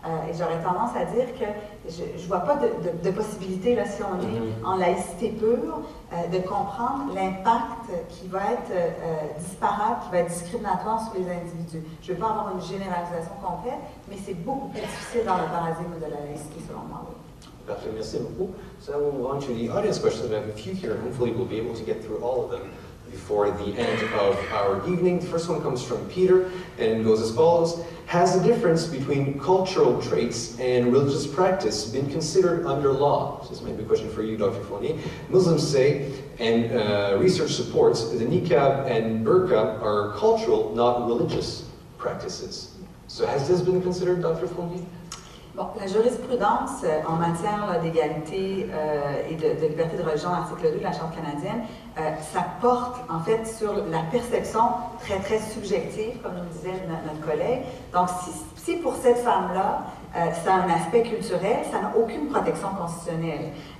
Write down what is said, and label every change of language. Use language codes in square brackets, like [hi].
[fr] Et j'aurais tendance à dire que je vois pas de possibilité, là, si on est en laïcité pure, de comprendre l'impact qui va être disparate, qui va être discriminatoire sur les individus. Je ne veux pas avoir une généralisation complète, mais c'est beaucoup plus difficile dans le paradigme de la laïcité, selon moi. Parfait, merci beaucoup. [en] So we'll move on to the audience questions. We have a few here. Hopefully we'll be able to get through all of them before the end of our evening. The first one comes from Peter and goes as follows. Has the difference between cultural traits and religious practice been considered under law? This might be a question for you, Dr. Fournier. Muslims say, and research supports, the niqab and burqa are cultural, not religious practices. So has this been considered, Dr. Fournier? [fr] Bon, la jurisprudence en matière d'égalité et de liberté de religion, article 2 de la Charte canadienne, ça porte en fait sur la perception très, très subjective, comme nous disait notre collègue. Donc, si pour cette femme-là, ça a un aspect culturel, ça n'a aucune protection constitutionnelle.